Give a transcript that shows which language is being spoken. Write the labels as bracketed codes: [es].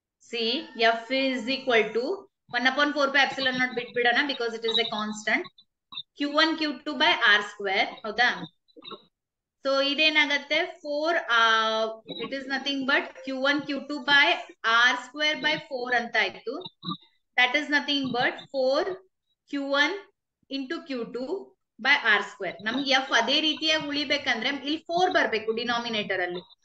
[en] C, F is equal to 1/4 pi epsilon naught [kn] ಬಿಟ್ಬಿಡೋಣ, [en] because it is a constant, Q1 Q2 by R square, [kn] ಹೌದಾ? So ಇದೇನಾಗತ್ತೆ, [en] 4 it is nothing but Q1 Q2 by R square by 4 [kn] ಅಂತ ಆಯ್ತು. [en] That is nothing but 4 Q1 into Q2 by R square. [kn] ನಮ್ಗೆ F ಅದೇ ರೀತಿಯಾಗಿ ಉಳಿಬೇಕಂದ್ರೆ ಇಲ್ಲಿ 4 ಬರ್ಬೇಕು denominator ಅಲ್ಲಿ.